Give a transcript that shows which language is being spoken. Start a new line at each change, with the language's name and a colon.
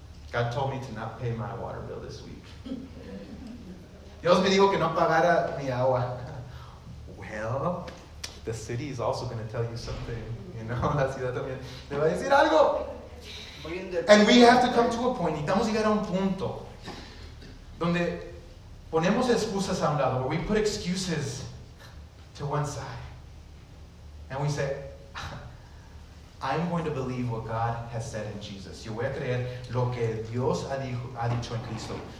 English: God told me to not pay my water bill this week.
Spanish: Dios me dijo que no pagara mi agua.
English: Well, the city is also going to tell you something. You know,
Spanish: la ciudad también le va a decir algo.
English: And we have to come to a point.
Spanish: Necesitamos llegar a un punto donde ponemos excusas a un lado.
English: Where we put excuses to one side. And we say, I'm going to believe what God has said in Jesus.
Spanish: Yo voy a creer lo que Dios ha dicho en Cristo.